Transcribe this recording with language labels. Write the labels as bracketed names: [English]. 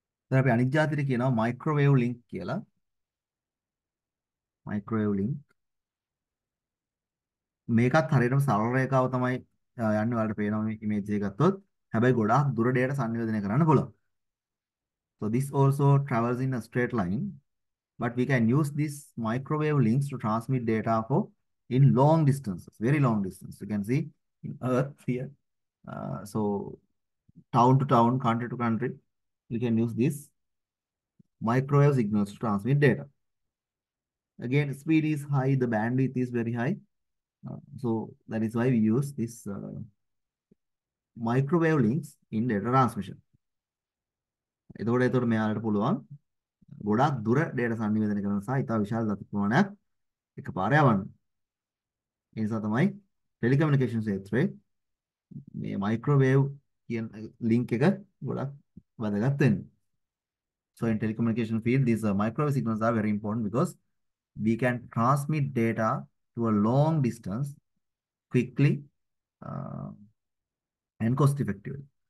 [Sinhala] දැන් අපි අනිත් જાතිර කියනවා microwave link කියලා. Microwave link මේකත් හරියටම සරල රේඛාව තමයි යන්නේ වලට පේනවා මේ image එක ගත්තොත්. හැබැයි ගොඩාක් දුර data සංවේදනය කරන්න පුළුවන්. [English] So this also travels in a straight line, but we can use this microwave links to transmit data for in long distances, very long distance. You can see in earth here, so town to town, country to country, we can use this microwave signals to transmit data. Again, speed is high, the bandwidth is very high, so that is why we use this microwave links in data transmission. [Sinhala] එතකොට මෙයාලට පුළුවන් ගොඩක් දුර data සංනිවේදනය කරන සහ ඉතා විශාල දත්ත ප්‍රමාණයක් එකපාර යවන්න. ඒ නිසා තමයි telecommunication ක්ෂේත්‍රයේ මේ microwave කියන link එක ගොඩක් වැදගත් වෙන්නේ. [English] So in telecommunication field these microwave signals are very important because we can transmit data to a long distance quickly and cost effectively.